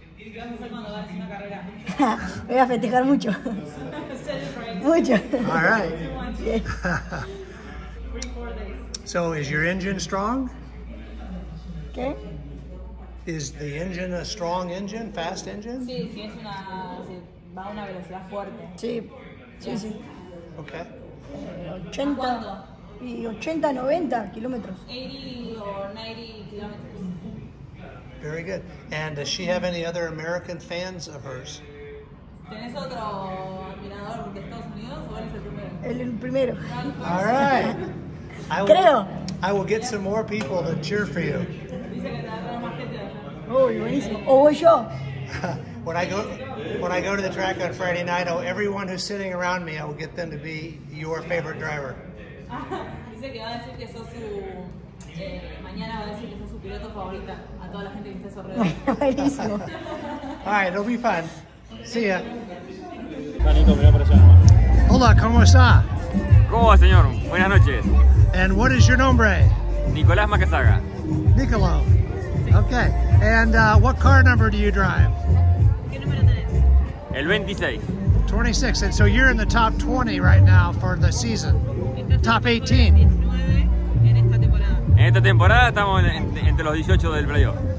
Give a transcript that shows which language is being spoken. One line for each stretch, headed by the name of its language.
Spanish: Voy a festejar mucho. Mucho.
English: All right. So is your engine strong?
Spanish: ¿Qué?
English: Is the engine a strong engine, fast engine?
Spanish: Sí, sí, es una, sí, va a una velocidad fuerte. Sí, sí, sí.
English: Okay.
Spanish: 80, 90 kilómetros.
English: 80 or 90 kilómetros. Very good. And does she have any other American fans of hers?
Spanish: ¿Tienes otro admirador de Estados Unidos o eres el primero?
English: All right.
Spanish: Creo.
English: I will get some more people to cheer for you.
Spanish: Oh, buenísimo. Oh,
English: when I go to the track on Friday night, oh, everyone who's sitting around me, I will get them to be your favorite driver. Alright, it'll be fun. See ya.
Spanish: Hola, ¿cómo está? ¿Cómo, señor? Buenas noches.
English: And what is your
Spanish: nombre?
English: Nicolás Macasaga. Nicolás. Okay, and what car number do you drive?
Spanish: Que El 26. 26.
English: And so you're in the top 20 right now for the season. Top 18.
Spanish: En esta temporada estamos entre los 18 del playoff.